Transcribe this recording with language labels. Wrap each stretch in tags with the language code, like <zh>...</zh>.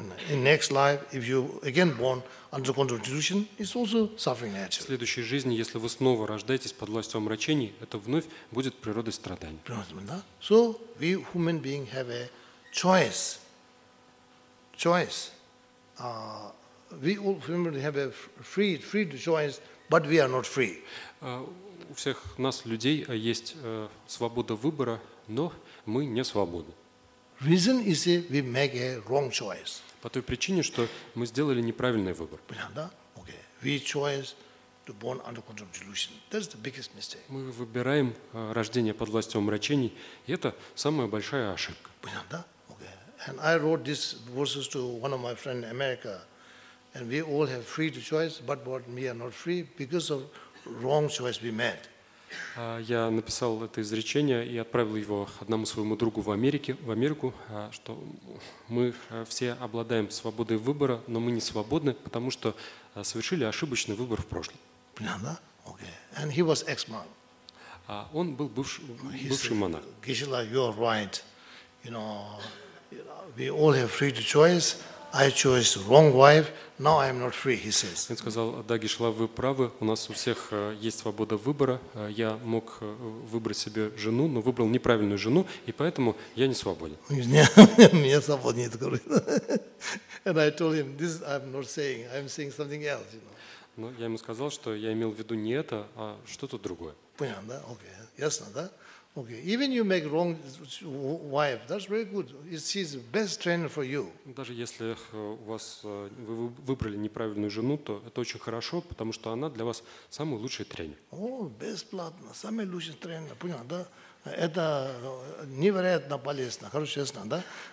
<en>In next life, if you again born under the control of delusion, it's also suffering nature.</en> <ru>В следующей жизни, если вы снова рождаетесь под властью омрачений, это вновь будет природой страданий.</ru> <en>So we human being have a choice. We all human beings have a free choice, but we are not free.</en> <ru>У всех нас людей есть свобода выбора, но мы не свободны.</ru> <en>Reason is that we make a wrong choice.</en> <ru>По той причине, что мы сделали неправильный выбор.</ru> <en>Да? Okay. We choose to born under control of delusion. That's the biggest mistake.</en> <ru>Мы выбираем рождение под властью омрачений, и это самая большая ошибка. Да? Okay.</ru> <en>And I wrote these verses to one of my friends in America, and we all have free to choice, but we are not free because of wrong choice we made.</en> <ru>Я написал это изречение и отправил его одному своему другу в Америку, что мы все обладаем свободой выбора, но мы не свободны, потому что совершили ошибочный выбор в прошлом.</ru> <en>Понятно? Okay. And he was ex-monk.</en> <ru>Он был бывший монах.</ru> <en>Geshe-la, you are right. You know, we all have free to choice. I chose wrong wife. Now I am not free, he says.</en> <ru>Он сказал: "Да, Гешла, вы правы. У нас у всех есть свобода выбора. Я мог выбрать себе жену, но выбрал неправильную жену, и поэтому я не свободен." Мне свободен, я говорю.</ru> <en>And I told him, "This I'm not saying. I'm saying something else."</en> <ru>Но я ему сказал, что я имел в виду не это, а что-то другое. Понятно, да? Окей, ясно, да?</ru> <en>Okay, even you make wrong wife, that's very good. She's the best trainer for you.</en> <ru>Даже если у вас вы выбрали неправильную жену, то это очень хорошо, потому что она для вас самый лучший тренер. О, бесплатно, самый лучший тренер, понятно, да? Это невероятно полезно, хорошо, честно, да?</ru>